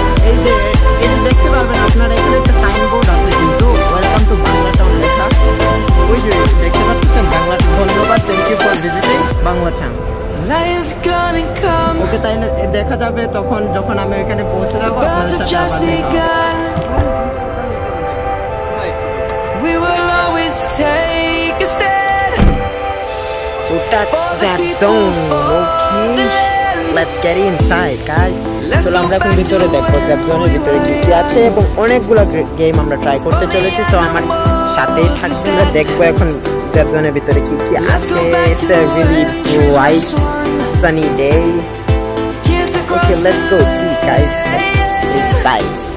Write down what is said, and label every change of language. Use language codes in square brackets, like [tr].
[bn] এই যে এই দেখতে পারবেন আপনারা এখানে একটা সাইনবোর্ড আছে কিন্তু [en] welcome to Bangla town [bn] লেখা ওই যে দেখতে পাচ্ছেন বাংলা ধন্যবাদ [en] Thank you for visiting Bangla town Lion's gonna come. [bn] Okay, তাহলে দেখা যাবে তখন যখন আমি এখানে পৌঁছে যাবো আপনাদের সাথে আবার [en] take a stand. So that's that zone. Okay, let's get inside, guys. [bn] চলো আমরা এখন ভিতরে দেখো জ্যাপজোনের ভিতরে কি কি আছে এবং অনেকগুলো গেম আমরা ট্রাই করতে চলেছি তো আমার সাথেই থাকছি আমরা দেখবো এখন জ্যাপজোনের ভিতরে কি কি আছে [en] it's a really bright sunny day okay let's go see guys inside